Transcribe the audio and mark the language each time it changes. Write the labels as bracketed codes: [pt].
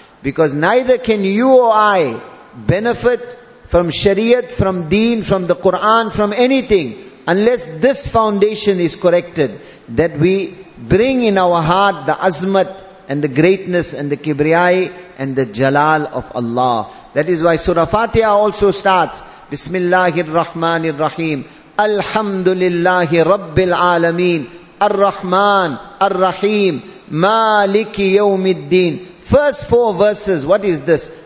[en] Because neither can you or I benefit from shariat, from deen, from the Quran, from anything, unless this foundation is corrected, that we bring in our heart the azmat and the greatness and the kibriyai and the jalal of Allah. That is why Surah Fatiha also starts, Bismillahir Rahmanir Rahim. [ar] الحمد لله رب العالمين الرحمن الرحيم مالك يوم الدين. [en] First four verses, what is this?